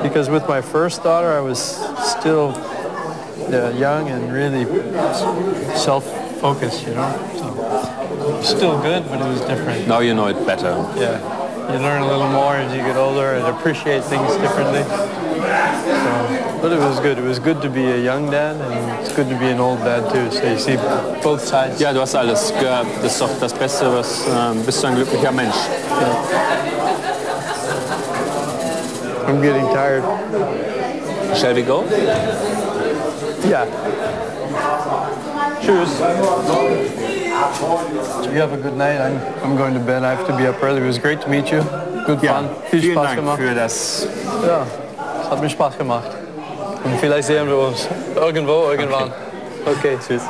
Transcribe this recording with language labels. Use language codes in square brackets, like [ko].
[en] Because with my first daughter, I was still young and really self-focused, you know? So still good, but it was different. Now you know it better. Yeah. You learn a little more as you get older and appreciate things differently. So, but it was good. It was good to be a young dad and it's good to be an old dad too. So you see both sides. [de] Ja, du hast alles. Das ist doch das Beste, was bist du ein glücklicher Mensch. [en] Yeah. I'm getting tired. Shall we go? Yeah. Cheers. You have a good night. I'm going to bed. I have to be up early. It was great to meet you. Good fun. [de] Viel Spaß gemacht. Vielen Dank für das. Ja, es hat mir Spaß gemacht. Und vielleicht sehen wir uns irgendwann. Okay, tschüss.